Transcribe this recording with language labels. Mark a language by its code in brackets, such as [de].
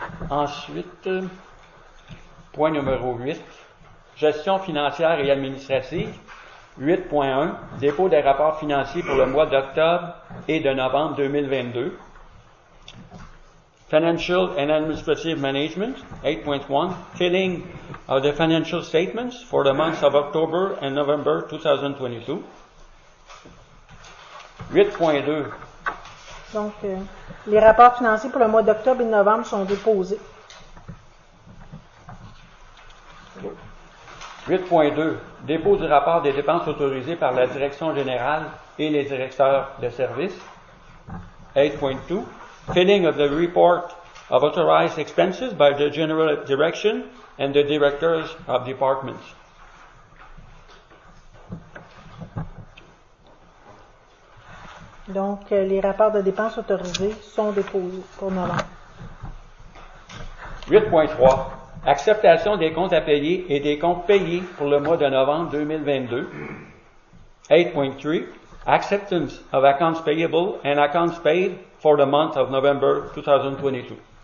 [fr] Ensuite, point numéro 8. Gestion financière et administrative. 8.1, dépôt des rapports financiers pour le mois d'octobre et de novembre 2022. [en] Financial and Administrative Management, 8.1, filling of the financial statements for the months of October and November 2022. 8.2. [fr] Donc, les rapports financiers pour le mois d'octobre et novembre sont déposés. 8.2. Dépôt du rapport des dépenses autorisées par la direction générale et les directeurs de services. 8.2. [en] Filling of the report of authorized expenses by the general direction and the directors of departments. [fr] Donc, les rapports de dépenses autorisées sont déposés pour Nolan. 8.3. Acceptation des comptes à payer et des comptes payés pour le mois de novembre 2022. 8.3. [en] Acceptance of accounts payable and accounts paid for the month of November 2022.